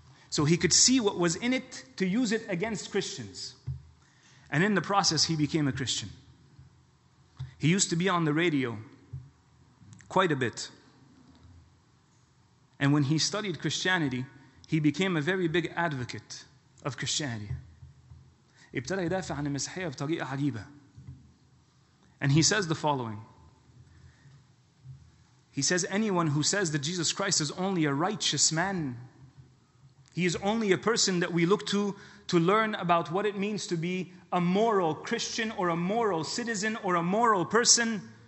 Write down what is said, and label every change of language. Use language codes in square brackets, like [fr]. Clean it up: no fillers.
[en] So he could see what was in it to use it against Christians. And in the process, he became a Christian. He used to be on the radio quite a bit. And when he studied Christianity, he became a very big advocate of Christianity. [ar] ابتدى يدافع عن المسيحية بطريقة عجيبة. [en] And he says the following. He says, anyone who says that Jesus Christ is only a righteous man, he is only a person that we look to learn about what it means to be a moral Christian or a moral citizen or a moral person.